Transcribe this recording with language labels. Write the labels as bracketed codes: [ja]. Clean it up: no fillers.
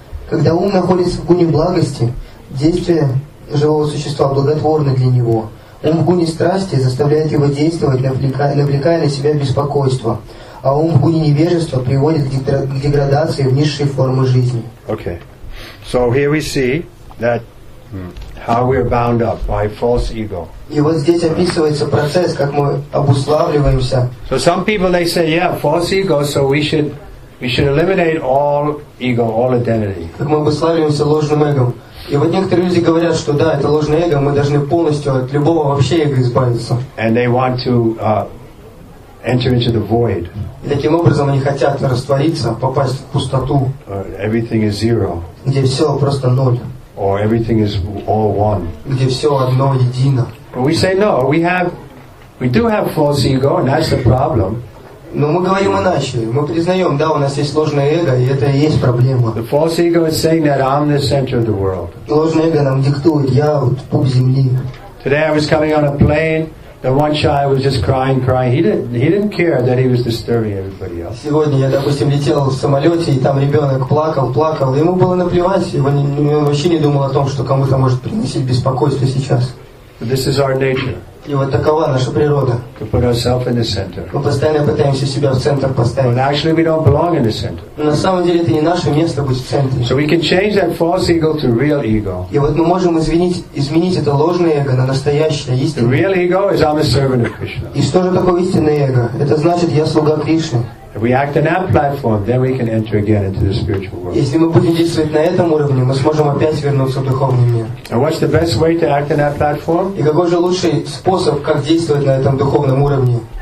[ru] Когда ум находится в гуне благости, действия живого существа благотворны для него. Ум в гуне страсти заставляет его действовать, навлекая на себя беспокойство. А ум в гуне невежества приводит к деградации в низшие формы жизни. [en] Okay. So here we see that how we are bound up by false ego. [ru] И вот здесь описывается процесс, как мы обуславливаемся. [en] So some people, they say, yeah, false ego, so we should eliminate all ego, all identity. [ru] Как мы обуславливаемся ложным эго. И вот некоторые люди говорят, что да, это ложное эго, мы должны полностью от любого вообще эго избавиться. [en] And they want to enter into the void. [ru] И таким образом они хотят раствориться, попасть в пустоту. [en] Everything is zero. [ru] Где все просто ноль. [en] Or everything is all one. [ru] Где все одно едино. [en] But we say no. We do have false ego, and that's the problem. [ru] Но мы говорим иначе. Мы признаем, да, у нас есть ложное эго, и это и есть проблема. [en] The false ego is saying that I'm the center of the world. [ru] Ложное эго нам диктует, я вот пуп земли. [en] Today I was coming on a plane. The one child was just crying. He didn't care that he was disturbing everybody else. [ru] Сегодня я, допустим, летел в самолете, и там ребенок плакал. Ему было наплевать. Он вообще не думал о том, что кому-то может принести беспокойство сейчас. [en] This is our nature. [ru] И вот такова наша природа. [en] To put ourselves in the center. [ru] Мы постоянно пытаемся себя в центр поставить. [en] When actually we don't belong in the center. [ru] На самом деле это не наше место быть в центре. [en] So we can change that false ego to real ego. [ru] И вот мы можем изменить это ложное эго на настоящее, истинное. [en] The real ego is I'm a servant of Krishna. [ru] И что же такое истинное эго? Это значит я слуга Кришны. [en] If we act on that platform, then we can enter again into the spiritual world. [ru] Если мы будем действовать на этом уровне, мы сможем опять вернуться в духовный мир. [en] And what's the best way to act on that platform? [ru] И какой же лучший способ, как действовать на этом духовном уровне?